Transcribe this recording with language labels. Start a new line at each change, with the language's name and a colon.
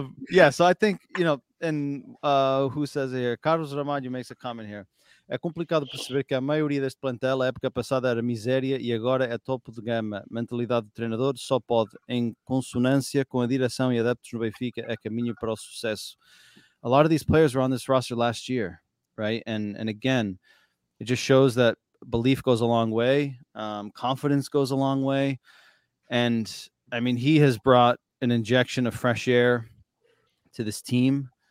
English: Yeah, so I think, you know, and who says it here? Carlos Ramadio makes a comment here.
Portuguese: É complicado perceber que a maioria deste plantel, a época passada era miséria e agora é topo de gama. Mentalidade do treinador só pode, em consonância com a direção e adeptos no Benfica, é caminho para o sucesso.
English: A lot of these players were on this roster last year, right? And again, it just shows that belief goes a long way. Confidence goes a long way. And I mean, he has brought an injection of fresh air to this team.